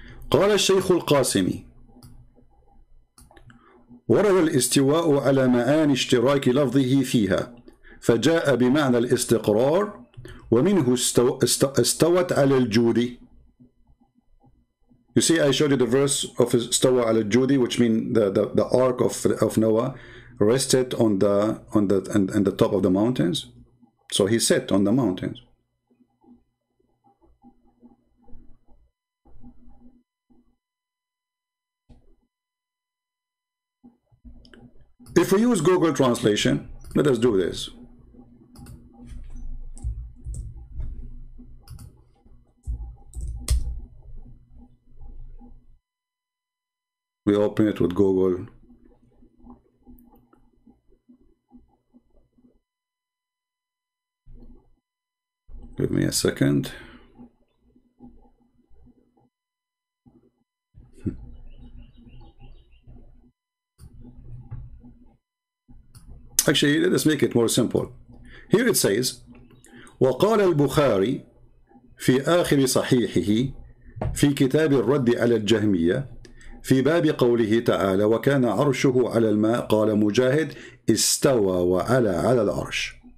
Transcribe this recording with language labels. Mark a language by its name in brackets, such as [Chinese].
[Arabic] قال الشيخ القاسمي ورد الاستواء على معاني اشتراك لفظه فيها فجاء بمعنى الاستقرار ومنه استوت على الجود. [English] You see, I showed you the verse of [Arabic] استوى على الجود, [English] which means the ark of Noah rested on the top of the mountains. So he sat on the mountains. If we use Google Translation, let us do this. We open it with Google. Give me a second. Actually, let us make it more simple. Here it says, [Arabic] وقال البخاري في آخر صحيحه في كتاب الرد على الجهمية في باب قوله تعالى وكان عرشه على الماء قال مجاهد استوى وعلى على العرش.